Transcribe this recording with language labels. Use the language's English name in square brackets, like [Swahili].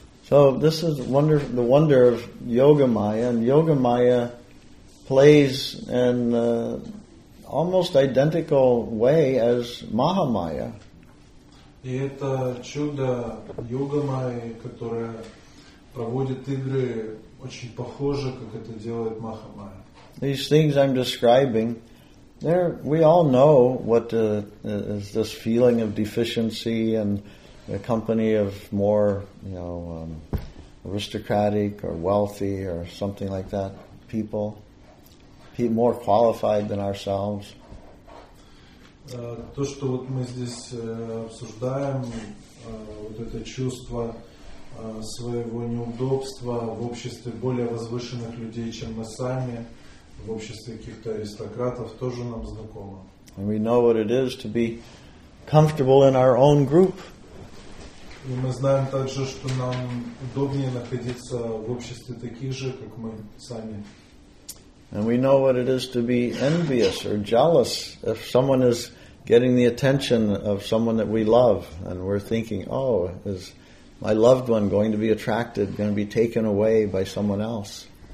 [English] So this is the wonder of Yoga Maya, and Yoga Maya plays in almost identical way as Mahamaya. [Russian] И это чудо Йога Майи, которое проводит игры очень похоже, как это делает Махамая. [English] These things I'm describing, there we all know what is this feeling of deficiency and the company of more, you know, aristocratic or wealthy or something like that, people more qualified than ourselves. [Russian] То, что вот мы здесь обсуждаем, вот это чувство своего неудобства в обществе более возвышенных людей, чем мы сами, в обществе каких-то аристократов, тоже нам знакомо. [English] And we know what it is to be comfortable in our own group. [Russian] И мы знаем также, что нам удобнее находиться в обществе таких же, как мы сами. [English] And we know what it is to be envious or jealous if someone is getting the attention of someone that we love, and we're thinking, oh, is my loved one going to be attracted, going to be taken away by someone else?